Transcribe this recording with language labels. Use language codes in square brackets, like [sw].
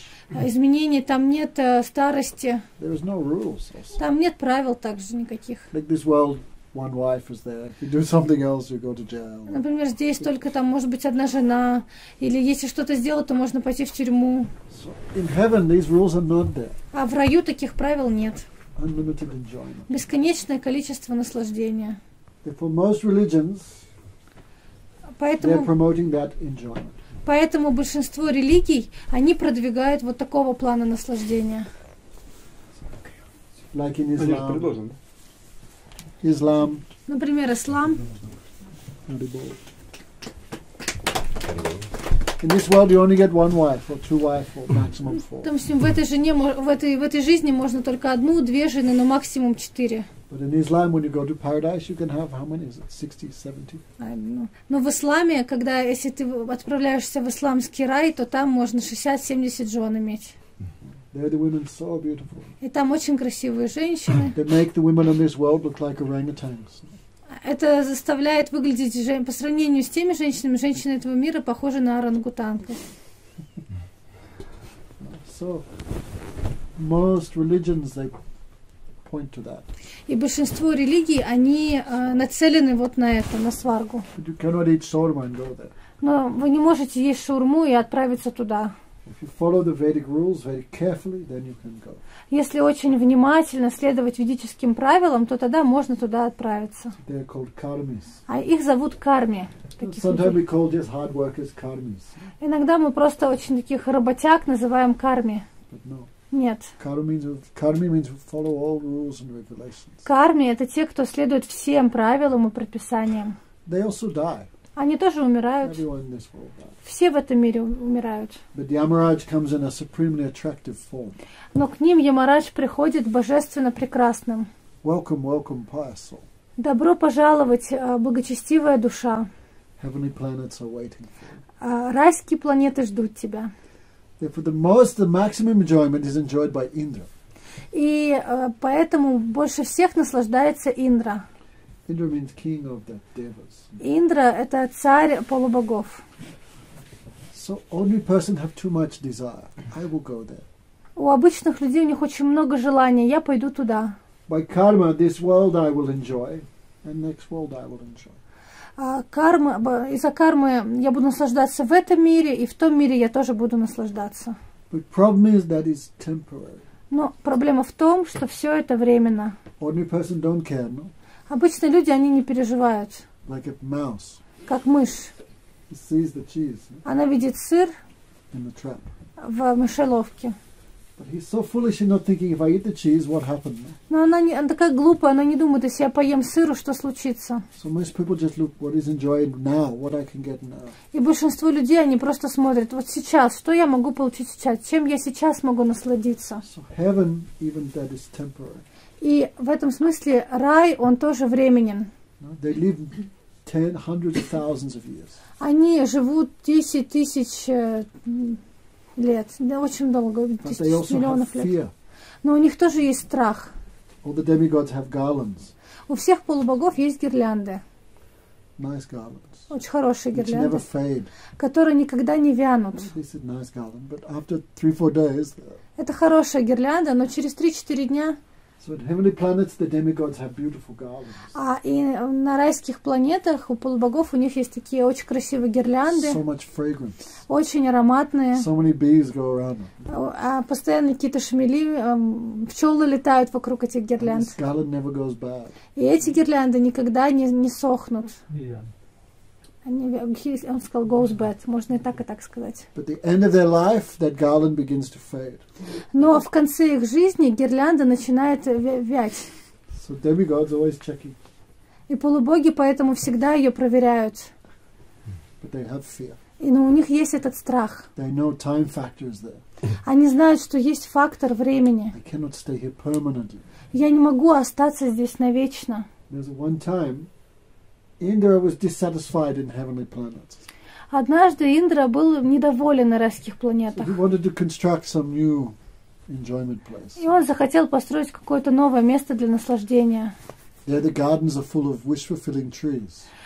[ru] изменений, там нет старости. [en] There is no rules also. [ru] Там нет правил также никаких. [en] Like this world, one wife is there. If you do something else, you go to jail. [ru] Например, здесь только там может быть одна жена, или если что-то сделать, то можно пойти в тюрьму. [en] So in heaven, these rules are not there. [ru] А в раю таких правил нет. [en] Unlimited enjoyment. [ru] Бесконечное количество наслаждения. [en] For most religions. [ru] Поэтому большинство религий, они продвигают вот такого плана наслаждения. [en] Like in Islam. Islam. [ru] Например, ислам. [en] In this world you only get one wife or two wives or maximum four. Там всем в этой жизни можно только одну, две жены, но максимум четыре. But in Islam, when you go to paradise, you can have how many? Is it 60, 70? I don't know. [ru] Но в исламе, когда если ты отправляешься в исламский рай, то там можно 60-70 жен иметь. [en] There the women are so beautiful. [ru] И там очень красивые женщины. [en] They make the women in this world look like orangutans. [ru] Это заставляет выглядеть по сравнению с теми женщинами, женщины этого мира похожи на орангутанков. [en] So most religions they point to that. [ru] И большинство религий, они нацелены вот на это, на сваргу. [en] But you cannot eat shawarma and go there. [ru] Но вы не можете есть шаурму и отправиться туда. [en] If you follow the Vedic rules very carefully, then you can go. [ru] Если очень внимательно следовать ведическим правилам, то тогда можно туда отправиться. [en] They are called karmis. [ru] А их зовут карми. [en] Sometimes we call just hard workers karmis. [ru] Иногда мы просто очень таких работяг называем карми. Нет. [en] Karmi means we follow all rules and regulations. [ru] Карми — это те, кто следует всем правилам и предписаниям. [en] They also die. [ru] Они тоже умирают. [en] Everyone in this world dies. [ru] Все в этом мире умирают. [en] But Yamaraj comes in a supremely attractive form. [ru] Но к ним Ямарадж приходит божественно прекрасным. [en] Welcome, welcome, pious soul. [ru] Добро пожаловать, благочестивая душа. [en] Heavenly planets are waiting for you. [ru] Райские планеты ждут тебя. [en] Therefore, the maximum enjoyment is enjoyed by Indra. [ru] И поэтому больше всех наслаждается Индра. [en] Indra means king of the devas. [ru] Индра — это царь полубогов. [en] So only person have too much desire. I will go there. [ru] У обычных людей у них очень много желания. Я пойду туда. [en] By karma, this world I will enjoy, and next world I will enjoy. [ru] Карма, из-за кармы я буду наслаждаться в этом мире, и в том мире я тоже буду наслаждаться. [en] But problem is that it's temporary. [ru] Но проблема в том, что все это временно. [en] Ordinary person don't care, no? [ru] Обычные люди, они не переживают. [en] Like a mouse. [ru] Как мышь. [en] It sees the cheese, no? [ru] Она видит сыр [en] in the trap. [ru] В мышеловке. [en] But he's so foolish in not thinking if I eat the cheese, what happened? [ru] Но она такая глупая, она не думает, если я поем сыру, что случится? [en] So most people just look what is enjoyed now, what I can get now. [ru] И большинство людей они просто смотрят, вот сейчас, что я могу получить сейчас, чем я сейчас могу насладиться? [en] So heaven, even that is temporary. [ru] И в этом смысле рай, он тоже временен. [en] No, they live ten, hundreds of thousands of years. [ru] Они живут 10 тысяч лет, да, очень долго, 10 миллионов лет. Но у них тоже есть страх. [en] All the demigods have garlands. [ru] У всех полубогов есть гирлянды. [en] Nice garlands. [ru] Очень хорошие [en] which [ru] гирлянды. [en] Never fade. [ru] Которые никогда не вянут. [en] This is nice garland, but after 3-4 days. [ru] Это хорошая гирлянда, но через 3-4 дня. [en] So in heavenly planets, the demigods have beautiful garlands. [ru] А и на райских планетах у полубогов у них есть такие очень красивые гирлянды. [en] So much fragrance. [ru] Очень ароматные. [en] So many bees go around them. [ru] А постоянно какие-то шмели, пчелы летают вокруг этих гирлянд. [en] This garland never goes bad. [ru] И эти гирлянды никогда не сохнут. [en] Yeah. [ru] Он сказал [en] goes bad. [ru] Можно и так сказать. [en] But the end of their life, that garland begins to fade. [ru] Но в конце их жизни гирлянда начинает вять. [en] So demigods always checking. [ru] И полубоги поэтому всегда ее проверяют. [en] But they have fear. [ru] И но у них есть этот страх. [en] They know time factor is there. [ru] Они знают, что есть фактор времени. [en] I cannot stay here permanently. [ru] Я не могу остаться здесь навечно. [en] There's one time Indra was dissatisfied in heavenly planets. [ru] Однажды Индра был недоволен на райских планетах. [en] So he wanted to construct some new enjoyment place. [ru] И он захотел построить какое-то новое место для наслаждения. [en] There the gardens are full of wish-fulfilling trees.